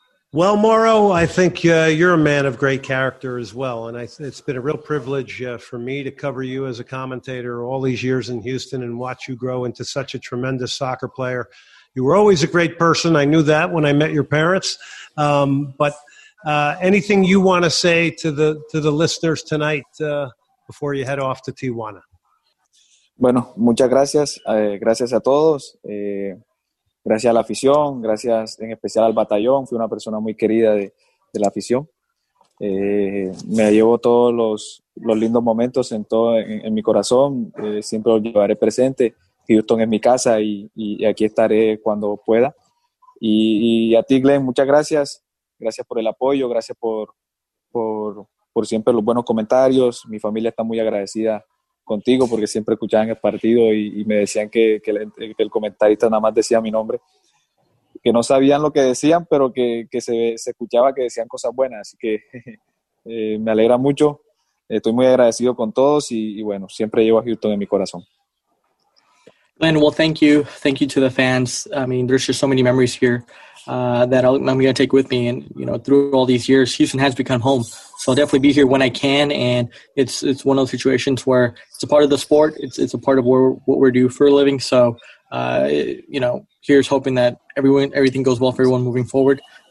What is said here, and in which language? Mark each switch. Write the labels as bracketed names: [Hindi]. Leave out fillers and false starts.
[English] Well, Mauro, I think you're a man of great character as well, and it's been a real privilege for me to cover you as a commentator all these years in Houston and watch you grow into such a tremendous soccer player. You were always a great person. I knew that when I met your parents. But anything you want to say to the listeners tonight before you head off to Tijuana? [Spanish] Bueno, muchas gracias. Gracias a todos. Gracias a la afición, gracias en especial al batallón. Fui una persona muy querida de la afición. Me llevo todos los lindos momentos en mi corazón. Siempre los llevaré presente. Houston es mi casa y aquí estaré cuando pueda. Y a ti, Glenn, muchas gracias. Gracias por el apoyo, gracias por siempre los buenos comentarios. Mi familia está muy agradecida contigo, porque siempre escuchaban el partido y me decían que el comentarista nada más decía mi nombre, que no sabían lo que decían, pero que se escuchaba que decían cosas buenas, así que me alegra mucho, estoy muy agradecido con todos y bueno, siempre llevo a Houston en mi corazón. [English] Glenn, well, thank you to the fans. I mean, there's just so many memories here that I'm going to take with me, and you know, through all these years, Houston has become home. So I'll definitely be here when I can, and it's one of those situations where it's a part of the sport. It's a part of what we're doing for a living. So you know, here's hoping that everything goes well for everyone moving forward.